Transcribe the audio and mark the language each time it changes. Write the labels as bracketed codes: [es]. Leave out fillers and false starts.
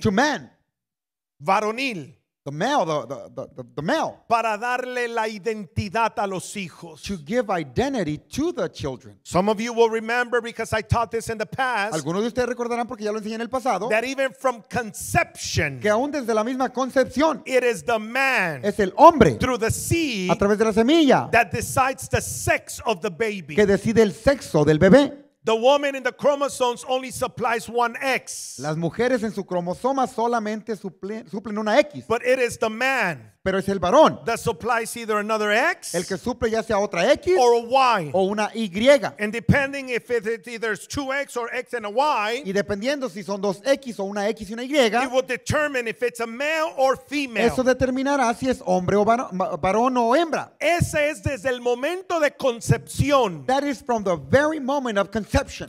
[en] To man. [es] Varonil. [en] The male, the male. [es] Para darle la identidad a los hijos. [en] To give identity to the children. Some of you will remember because I taught this in the past. [es] Algunos de ustedes recordarán porque ya lo enseñé en el pasado. [en] That even from conception. [es] Que aún desde la misma concepción. [en] It is the man. [es] Es el hombre. [en] Through the seed. [es] A través de la semilla. [en] That decides the sex of the baby. [es] Que decide el sexo del bebé. [en] The woman in the chromosomes only supplies one X. [es] Las mujeres en su cromosoma solamente suplen una X. [en] But it is the man. [es] Pero es el varón. [en] That supplies either another X. [es] El que suple ya sea otra X. [en] Or a Y. [es] O una Y. [en] And depending if it either is two X or X and a Y. [es] Y dependiendo si son dos X o una X y una Y. [en] It will determine if it's a male or female. [es] Eso determinará si es hombre o varón o hembra. Ese es desde el momento de concepción. [en] That is from the very moment of conception.